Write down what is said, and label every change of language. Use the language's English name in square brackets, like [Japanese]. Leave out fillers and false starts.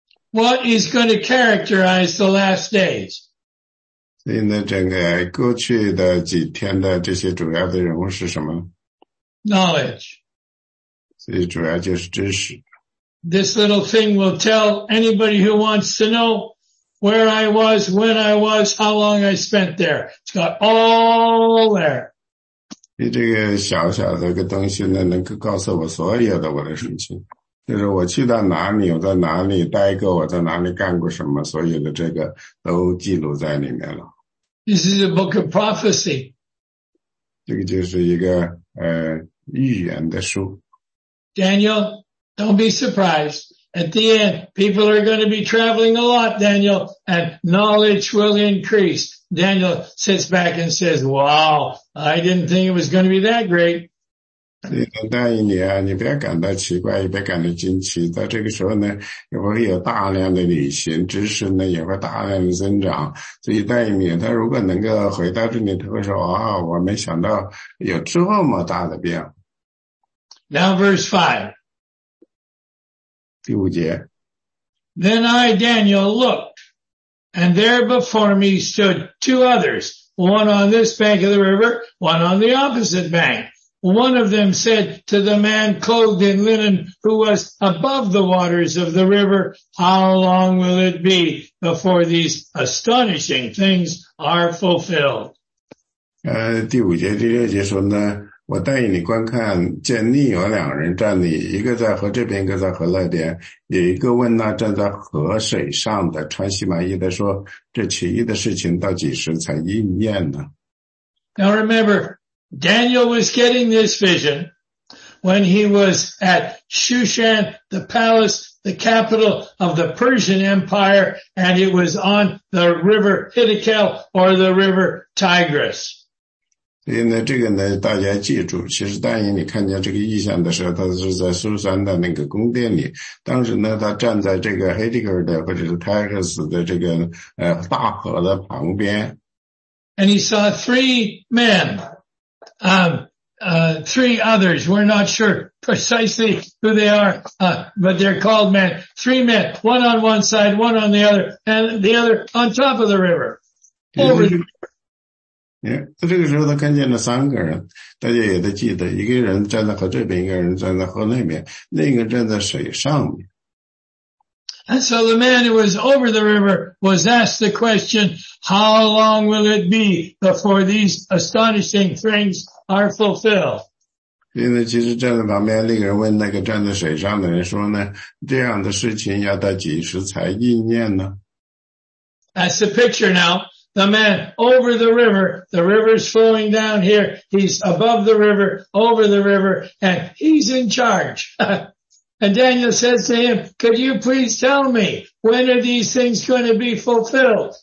[English] What is going to characterize the last days? [Chinese] 所以呢整个过去的几天的这些主要的人物是什么？ [English] Knowledge. [Chinese] 所以主要就是知识。 [English] This little thing will tell anybody who wants to know where I was, when I was, how long I spent there. It's got all there. [Chinese] 你这个小小的一个东西呢能够告诉我所有的我的事情。就是我去到哪里，我在哪里待过，我在哪里干过什么，所有的这个都记录在里面了。 [English] This is a book of prophecy. [Chinese] 这个就是一个预言的书。 [English] Daniel, don't be surprised. At the end, people are going to be traveling a lot, Daniel, and knowledge will increase. Daniel sits back and says, wow, I didn't think it was going to be that great. [Chinese] 所以那一年你不要感到奇怪，也不要感到惊奇，在这个时候呢也会有大量的旅行，知识呢也会大量的增长，所以那一年他如果能够回到这里，他会说啊、哦，我没想到有这么大的变。 [English] Now verse 5， [Chinese] 第五节。 [English] Then I Daniel looked and there before me stood two others, one on this bank of the river, one on the opposite bank. One of them said to the man clothed in linen who was above the waters of the river, how long will it be before these astonishing things are fulfilled? [Chinese] 第五节第六节说呢，我带你观看，见立有两人站立，一个在河这边，一个在河那边，有一个问那站在河水上的，穿细麻衣的说，这奇异的事情到几时才应验呢？ [English] Now remember, Daniel was getting this vision when he was at Shushan, the palace, the capital of the Persian Empire, and it was on the river Hiddekel or the river Tigris. [Chinese] 所以呢，这个呢，大家记住，其实当年你看见这个意象的时候，他是在苏珊的那个宫殿里。当时呢，他站在这个 Hiddekel 的或者是 Tigris 的这个大河的旁边。 [English] And he saw three men. Three others, we're not sure precisely who they are, but they're called men. Three men, one on one side, one on the other, and the other on top of the river. [Chinese] Yeah, 在这个时候他看见了三个人，大家也都记得，一个人站在河这边，一个人站在河那边，另一个站在水上面。 [English] And so the man who was over the river was asked the question, how long will it be before these astonishing things are fulfilled? [Chinese] 因为其实站在旁边那个人问那个站在水上的人说呢，这样的事情要到几时才应验呢？ [English] That's the picture now. The man over the river, the river's flowing down here. He's above the river, over the river, and he's in charge. And Daniel says to him, could you please tell me, when are these things going to be fulfilled?